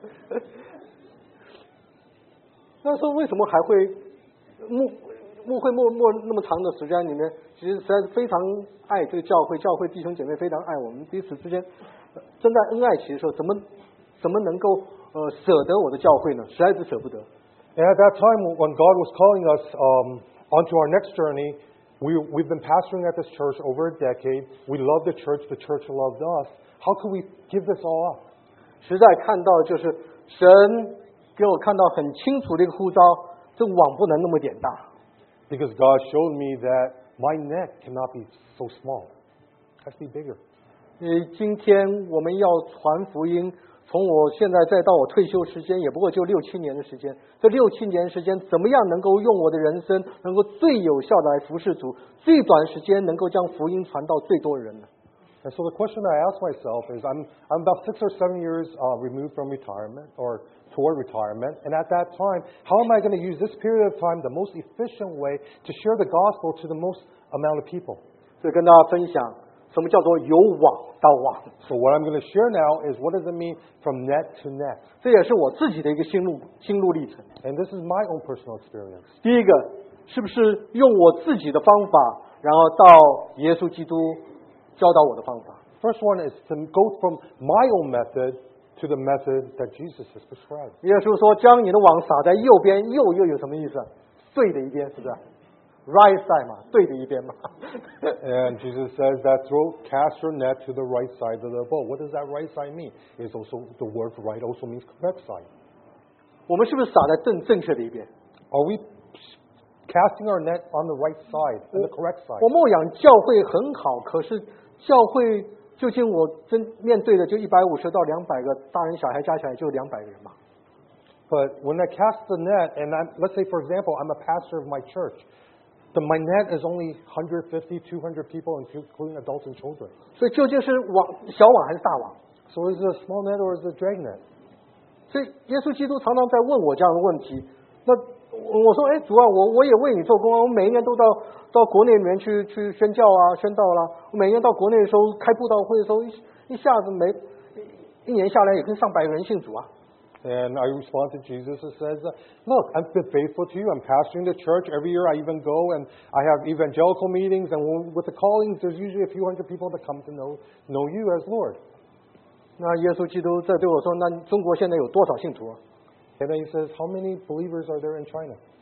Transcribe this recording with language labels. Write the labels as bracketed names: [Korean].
[Chinese] 那时候为什么还会牧会默那么长的时间里面，其实实在是非常爱这个教会，教会弟兄姐妹非常爱我们，彼此之间正在恩爱期的时候，怎么能够舍得我的教会呢？实在是舍不得。 [English] And at that time when God was calling us onto our next journey, we've been pastoring at this church over a decade. We love the church loved us. How could we give this all up? [Chinese] 实在看到就是神给我看到很清楚的一个呼召，这网不能那么点大。 [English] Because God showed me that my net cannot be so small, it has to be bigger. [Chinese] 今天我们要传福音，从我现在再到我退休时间，也不过就六七年的时间。这六七年时间，怎么样能够用我的人生，能够最有效的来服侍主，最短时间能够将福音传到最多人呢？ [English] And so the question that I ask myself is, I'm about 6 or 7 years removed from retirement, or toward retirement, and at that time, how am I going to use this period of time the most efficient way to share the gospel to the most amount of people? [Chinese] So, 跟大家分享什么叫做由网到网。 [English] So what I'm going to share now is what does it mean from net to net? [Chinese] 这也是我自己的一个心路历程。 [English] And this is my own personal experience. [Chinese] 第一个，是不是用我自己的方法，然后到耶稣基督？教导我的方法。 [English] First one is to go from my own method to the method that Jesus has prescribed. [Chinese] 耶稣说将你的网撒在右边，右又有什么意思？对的一边，是不是？ [English] Right side [Chinese] 嘛，对的一边嘛。 [English] And Jesus says that throw cast your net to the right side of the boat. What does that right side mean? It's also the word right also means left side. [Chinese] 我们是不是撒在正确的一边？ [English] Are we casting our net on the right side, on the correct side? [Chinese] 我牧养教会很好，可是教会究竟我真面对的就150到200个大人小孩加起来就200个人嘛。 [English] But when I cast the net, and let's say for example, I'm a pastor of my church, my net is only 150, 200 people, including adults and children. [Chinese] 所以究竟是网小网还是大网？ [English] So is it a small net or is it a drag net? [Chinese] 所以耶稣基督常常在问我这样的问题。那我说，哎，主啊，我也为你做工啊，我每一年都到国内里面去宣教啊，宣道啦、啊。我每年到国内的时候开布道会的时候，一下子一年下来也跟上百个人信主啊。 [English] And I respond to Jesus and says, look, I've been faithful to you. I'm pastoring the church. Every year I even go and I have evangelical meetings. And with the callings, there's usually a few hundred people that come to know you as Lord. [Chinese] 那耶稣基督这对我说，那中国现在有多少信徒啊？ [English] And then he says, how many believers are there in China?